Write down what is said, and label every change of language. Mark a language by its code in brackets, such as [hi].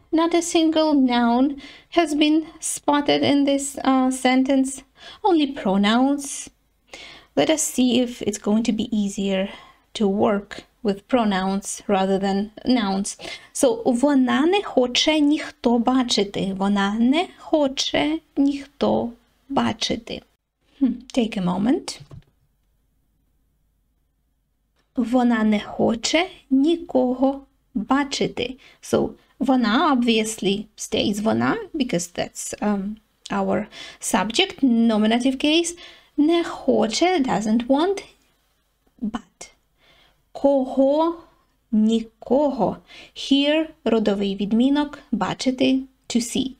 [en] Not a single noun has been spotted in this sentence, only pronouns. Let us see if it's going to be easier to work with pronouns rather than nouns. [uk] So, вона не хоче ніхто бачити. Вона не хоче ніхто бачити. [en] Take a moment. [uk] Вона не хоче нікого бачити. [en] So, вона obviously stays вона because that's our subject, nominative case. [uk] Не хоче, [en] doesn't want, but [uk] кого, нікого. [en] Here, родовий відмінок, бачити, to see.